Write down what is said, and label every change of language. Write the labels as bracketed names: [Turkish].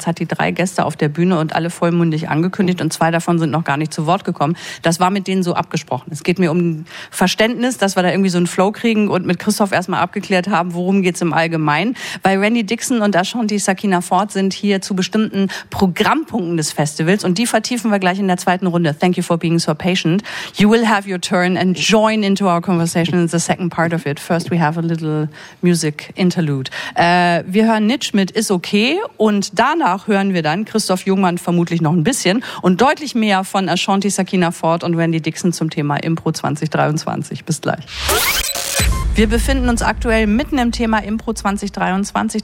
[German] Jetzt hat die drei Gäste auf der Bühne und alle vollmundig angekündigt und zwei davon sind noch gar nicht zu Wort gekommen. Das war mit denen so abgesprochen. Es geht mir um Verständnis, dass wir da irgendwie so einen Flow kriegen und mit Christoph erstmal abgeklärt haben, worum geht's im Allgemeinen. Weil Randy Dixon und Ashanti Sakina Ford sind hier zu bestimmten Programmpunkten des Festivals und die vertiefen wir gleich in der zweiten Runde. [English] Thank you for being so patient. You will have your turn and join into our conversation in the second part of it. First we have a little music Interlude. [German] Wir hören Nitsch mit Ist okay und danach hören wir dann Christoph Jungmann vermutlich noch ein bisschen und deutlich mehr von Ashanti Sakina Ford und Randy Dixon zum Thema Impro 2023. Bis gleich. Wir befinden uns aktuell mitten im Thema Impro 2023.